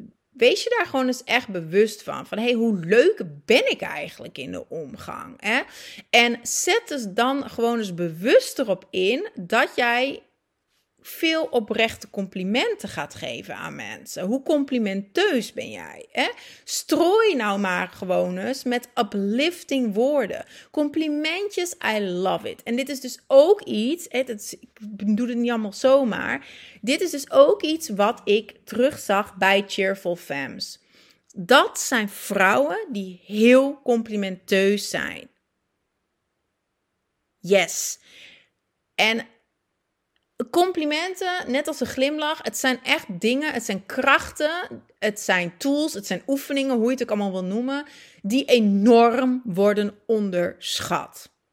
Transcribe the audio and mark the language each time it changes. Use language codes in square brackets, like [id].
[nl] Wees je daar gewoon eens echt bewust van. Van, hey, hoe leuk ben ik eigenlijk in de omgang? Hè? En zet dus dan gewoon eens bewust erop in dat jij veel oprechte complimenten gaat geven aan mensen. Hoe complimenteus ben jij? Hè? Strooi nou maar gewoon eens met uplifting woorden. [en] Complimentjes, I love it. [nl] En dit is dus ook iets, ik doe het niet allemaal zomaar. Dit is dus ook iets wat ik terugzag bij Cheerful Femmes. Dat zijn vrouwen die heel complimenteus zijn. Yes. En complimenten, net als een glimlach, het zijn echt dingen, het zijn krachten, het zijn tools, het zijn oefeningen, hoe je het ook allemaal wil noemen, die enorm worden onderschat.